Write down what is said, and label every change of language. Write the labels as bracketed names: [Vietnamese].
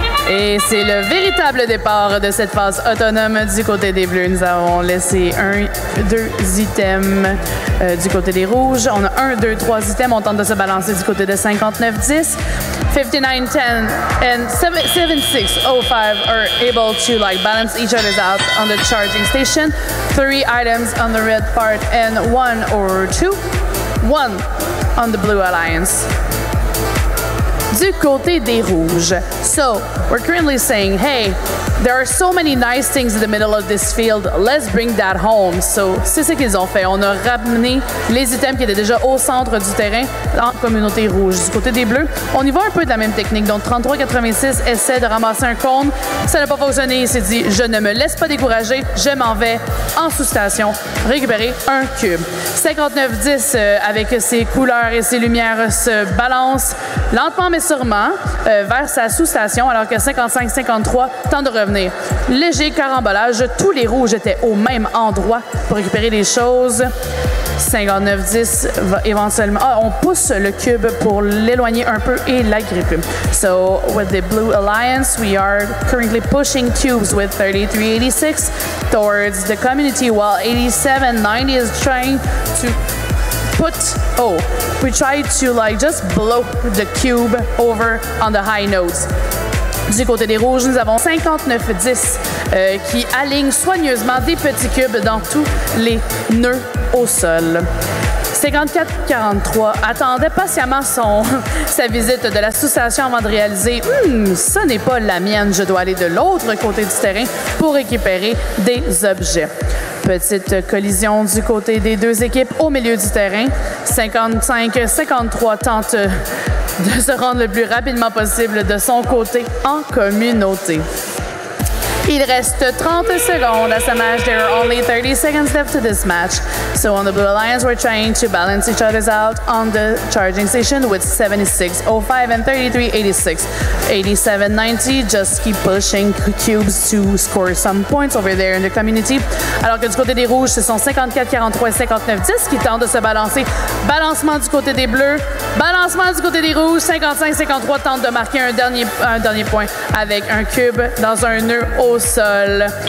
[French] Et c'est le véritable départ de cette phase autonome du côté des bleus. Nous avons laissé 1-2 items du côté des rouges. On a 1-2-3 items. On tente de se balancer du côté de 59-10. [English] 59-10 and 76-05 are able to like balance each other out on the charging station. 3 items on the red part and 1 or 2. 1 on the blue alliance. [French] Du côté des rouges. [English] So, we're currently saying, hey, there are so many nice things in the middle of this field, let's bring that home. [French] So, c'est ce qu'ils ont fait. On a ramené les items qui étaient déjà au centre du terrain en communauté rouge. Du côté des bleus, on y va un peu de la même technique. Donc, 33-86 essaie de ramasser un cône. Ça n'a pas fonctionné. Il s'est dit, je ne me laisse pas décourager. Je m'en vais en sous-station récupérer un cube. 59-10 avec ses couleurs et ses lumières se balance lentement mais sûrement vers sa sous-station alors que 55-53 tente de revenir. Léger carambolage, tous les rouges étaient au même endroit pour récupérer les choses. 59-10 va éventuellement... Ah, on pousse le cube pour l'éloigner un peu et l'agripper. [English] So, with the Blue Alliance, we are currently pushing cubes with 33-86 towards the community while 87-90 is trying to put... Oh, we try to like just blow the cube over on the high notes. [French] Du côté des rouges, nous avons 59-10 qui aligne soigneusement des petits cubes dans tous les nœuds au sol. 54-43 attendait patiemment sa visite de la sous-station avant de réaliser ce n'est pas la mienne, je dois aller de l'autre côté du terrain pour récupérer des objets. Petite collision du côté des deux équipes au milieu du terrain. 55-53 tente de se rendre le plus rapidement possible de son côté en communauté. Il reste 30 secondes à ce match. [English] There are only 30 seconds left to this match. So on the Blue Alliance, we're trying to balance each other out on the charging station with 76-05 and 33-86. 87-90, just keep pushing cubes to score some points over there in the community. [French] Alors que du côté des rouges, ce sont 54-43 et 59-10 qui tentent de se balancer. Balancement du côté des bleus. Balancement du côté des rouges. 55-53 tente de marquer un dernier point avec un cube dans un nœud au sol.